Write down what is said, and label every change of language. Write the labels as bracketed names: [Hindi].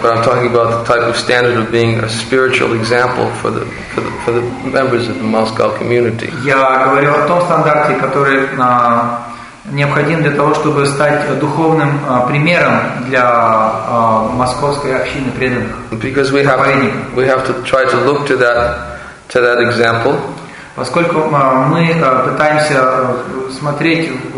[English] But I'm talking about the type of standard of being a spiritual example for the members of the Moscow community. [Russian] Я говорю о том стандарте, который необходим для того, чтобы стать духовным примером для московской общины преданных. [English] Because we have to try to look to that example. [Russian] Поскольку мы пытаемся смотреть